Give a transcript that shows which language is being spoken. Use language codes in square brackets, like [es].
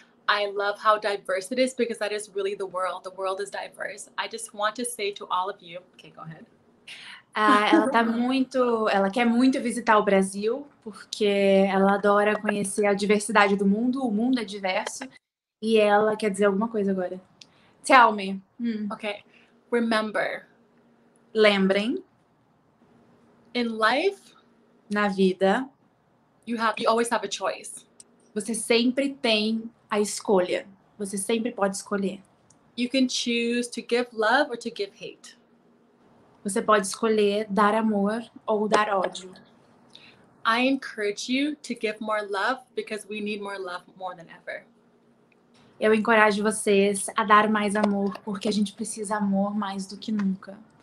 [en] I love how diverse it is because that is really the world. The world is diverse. I just want to say to all of you... Ok, go ahead. [pt] Ela quer muito visitar o Brasil, porque ela adora conhecer a diversidade do mundo, o mundo é diverso, e ela quer dizer alguma coisa agora. [en] Tell me. Okay. Remember. [pt] Lembrem. [en] In life. [pt] Na vida. [en] You always have a choice. [pt] Você sempre tem a escolha. Você sempre pode escolher. [en] You can choose to give love or to give hate. [pt] Você pode escolher dar amor ou dar ódio. [en] I encourage you to give more love because we need more love more than ever. [pt] Eu encorajo vocês a dar mais amor porque a gente precisa amor mais do que nunca.